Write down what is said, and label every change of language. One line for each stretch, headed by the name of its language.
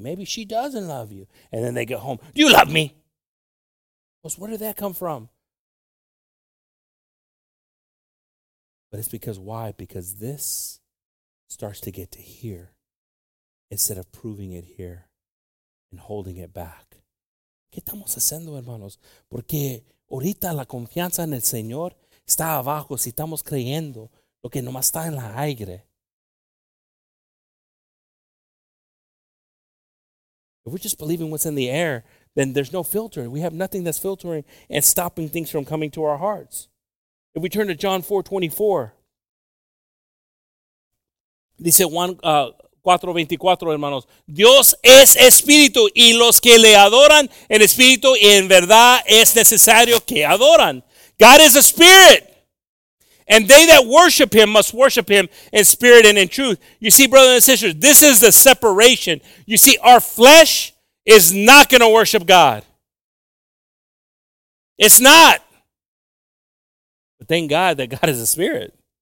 English: Maybe she doesn't love you. And then they get home. Do you love me? Well, where did that come from? But it's because why? Because this starts to get to here instead of proving it here and holding it back.
Spanish: ¿Qué estamos haciendo, hermanos? Porque ahorita la confianza en el Señor está abajo si estamos creyendo lo que nomás está en la aire.
English: If we're just believing what's in the air, then there's no filter. We have nothing that's filtering and stopping things from coming to our hearts. If we turn to John 4:24,
Spanish: dice Juan 4:24, hermanos, Dios es espíritu y los que le adoran en espíritu y en verdad es necesario que adoran.
English: God is a spirit. And they that worship him must worship him in spirit and in truth. You see, brothers and sisters, this is the separation. You see, our flesh is not going to worship God. It's not. But thank God that God is a spirit.